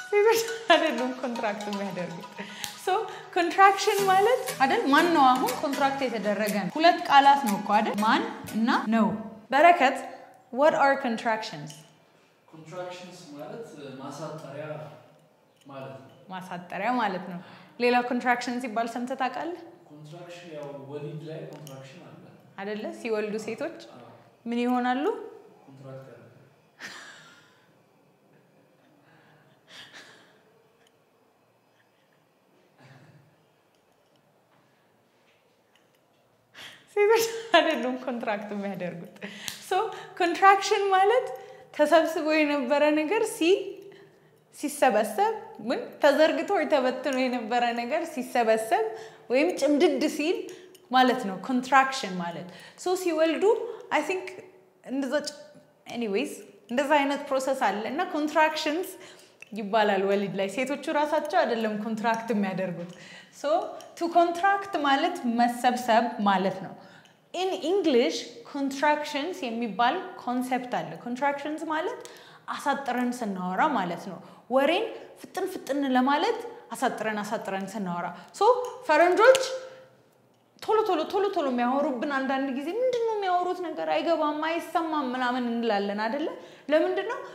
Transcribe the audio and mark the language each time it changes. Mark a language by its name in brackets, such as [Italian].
[Amharic] Figures አይደሉም ኮንትራክት የሚያደርጉት. [English] So, contraction [Amharic] ማለት አይደል? ማን ነው አሁን ኮንትራክት የተደረገ? ሁለት ቃላት ነው እኮ አይደል? ማን እና ነው? [English] በረከት, what are contractions? [Amharic] Contractions ማለት ማሳጠሪያ ማለት ነው. ማሳጠሪያ ማለት ነው. ሌላ contractions ይባል ሰምተህ ታውቃለህ? Contraction ያው ወሊድ ላይ contraction አለ. አይደለ? ሲወልዱ ሴቶች ምን ይሆናሉ? Contract ያለ. ሴቶች አይደሉም ኮንትራክት የሚያደርጉት. ሶ ኮንትራክሽን ማለት ተሰብስቦ የነበረ ነገር ሲሰበሰብ ምን ተዘርግቶ ተበትኖ የነበረ ነገር ሲሰበሰብ ወይም ጭምድድ ሲል ማለት ነው ኮንትራክሽን ማለት. ሶ ሲወልዱ [English] አይ ቲንክ [Amharic] እንደዛ ኤኒዌይስ እንደዛ አይነት ፕሮሰስ አለ እና ኮንትራክሽንስ ይባላል ወሊድ ላይ. ሴቶቹ ራሳቸው አይደለም ኮንትራክት የሚያደርጉት. [English] So, to contract [Amharic] ማለት መሰብሰብ ማለት ነው. [English] In English, contractions [Amharic] የሚባል [English] concept [Amharic] አለ. Contractions ማለት አሳጥረን ስናወራ ማለት ነው. ወሬን ፍጥን ፍጥን ለማለት አሳጥረን አሳጥረን ስናወራ. So, ፈረንጆች ቶሎ ቶሎ ቶሎ ቶሎ የሚያወሩብን አንዳንድ ጊዜ ምንድን ነው የሚያወሩት ነገር አይገባም አይሰማም ምናምን እንላለን አይደለ? ለምንድን ነው?